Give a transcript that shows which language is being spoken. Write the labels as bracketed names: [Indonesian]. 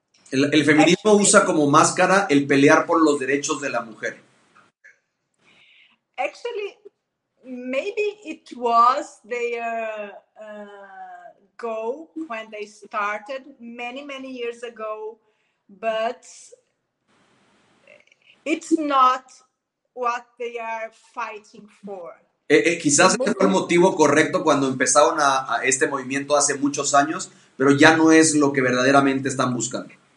[Spanish] El feminismo usa como máscara el pelear por los derechos de la mujer. [English] Actually, maybe it was their goal when they started many, many years ago, but it's not what they are fighting for. [Spanish] Quizás ese fue el motivo correcto cuando empezaron a este movimiento hace muchos años, pero ya no es lo que verdaderamente están buscando.